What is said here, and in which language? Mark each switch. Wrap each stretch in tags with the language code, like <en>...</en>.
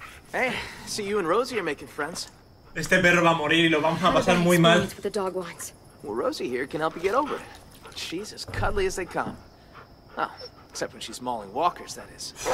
<en>Hey, see you and Rosie are making friends.</en> <es>Este perro va a morir y lo vamos a pasar muy mal.</es> <en>Well, Rosie here can help you get over it. She's as cuddly as they come. Oh, except when she's mauling walkers, that is.</en>